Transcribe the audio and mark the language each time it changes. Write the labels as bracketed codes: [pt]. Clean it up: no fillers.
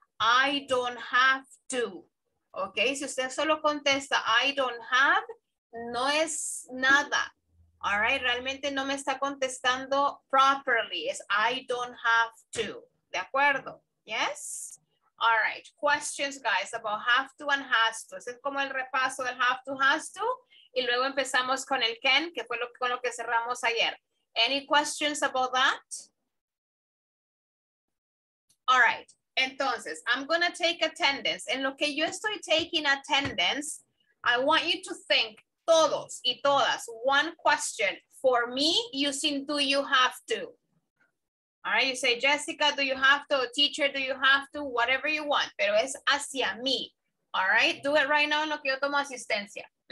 [en] I don't have to. Ok, [es] si usted solo contesta [en] I don't have, [es] no es nada. All right, realmente no me está contestando properly. Es [en] I don't have to. [es] ¿De acuerdo? Yes? [en] All right, questions, guys, about have to and has to. [es] Es como el repaso del have to, has to. Y luego empezamos con el can, que fue con lo que cerramos ayer. [en] Any questions about that? All right. [es] Entonces, [en] I'm going to take attendance. [es] En lo que yo estoy [en] taking attendance, I want you to think, [es] todos y todas [en] one question for me using do you have to. All right, you say, Jessica, do you have to? Teacher, do you have to? Whatever you want, [es] pero es hacia mí. [en] All right, do it right now [es] en lo que yo tomo asistencia.